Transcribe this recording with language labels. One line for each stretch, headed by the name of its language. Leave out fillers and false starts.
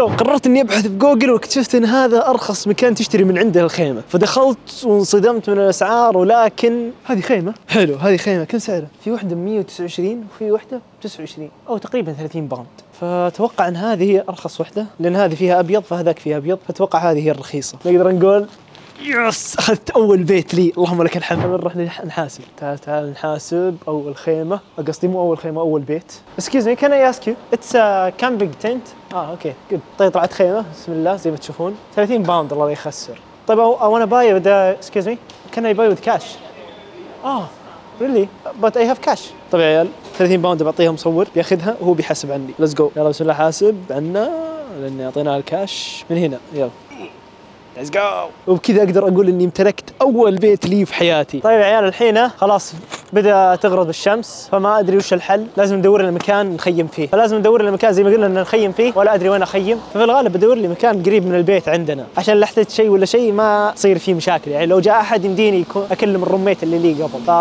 Arabic: قررت أني أبحث في جوجل واكتشفت أن هذا أرخص مكان تشتري من عنده الخيمة فدخلت وانصدمت من الأسعار ولكن هذه خيمة حلو هذه خيمة كم سعرها؟ في واحدة 129 وفي واحدة 29 أو تقريبا 30 باوند فتوقع أن هذه هي أرخص واحدة لأن هذه فيها أبيض فهذاك فيها أبيض فتوقع هذه هي الرخيصة نقدر نقول يس أخذت أول بيت لي اللهم لك الحمد. نروح نحاسب تعال تعال نحاسب أول خيمة قصدي مو أول خيمة أول بيت.
English: Excuse me can I ask you it's a camping tent.
Arabic: آه أوكي good. طيب طلعت خيمة بسم الله زي ما تشوفون 30 باوند الله يخسر.
English: طيب I wanna buy with excuse me can I buy with cash. آه really but I have cash.
Arabic: طيب يا عيال 30 باوند بعطيها مصور بياخذها وهو بيحاسب عني.
English: Let's go.
Arabic: يلا بسم الله حاسب عنا لأن أعطيناها الكاش من هنا يلا
English: Let's go.
Arabic: وبكذا اقدر اقول اني امتلكت اول بيت لي في حياتي. طيب يا عيال الحين خلاص بدا تغرب الشمس فما ادري وش الحل لازم ندور لنا مكان نخيم فيه فلازم ندور لنا مكان زي ما قلنا نخيم فيه ولا ادري وين اخيم ففي الغالب بدور لي مكان قريب من البيت عندنا عشان لحتت شيء ولا شيء ما تصير فيه مشاكل يعني لو جاء احد يمديني اكلم الروميت اللي لي قبل.